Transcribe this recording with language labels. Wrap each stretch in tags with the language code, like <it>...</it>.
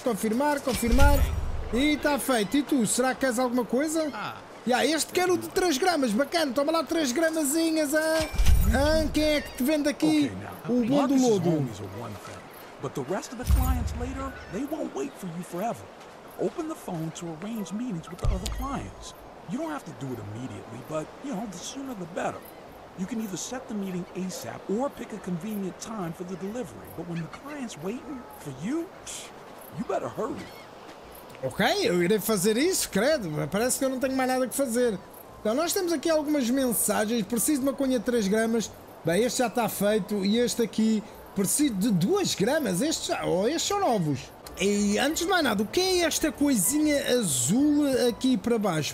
<pt>Confirmar, confirmar. E está feito. E tu, será que queres alguma coisa? Ah. Yeah, este quer o de 3 gramas. Bacana, toma lá 3 gramazinhas. Ah. Ah, quem é que te vende aqui?</pt> <en>Okay, now,</en> <pt>o bom do lodo. Mas o resto dos clientes, depois, não vão esperar por você sempre.</pt> <en>Open the phone to arrange meetings with the other clients. You don't have to do it immediately, but, you know, the sooner the better. You can either set the meeting ASAP or pick a convenient time for the delivery. But when the client's waiting for you, you better hurry.</en> <pt>Ok, eu irei fazer isso, credo. Parece que eu não tenho mais nada que fazer. Então, nós temos aqui algumas mensagens. Preciso de uma conha de 3 gramas. Bem, este já está feito. E este aqui, preciso de 2 gramas. Estes já... Oh, estes são novos. E antes de mais nada, o que é esta coisinha azul aqui para baixo?</pt>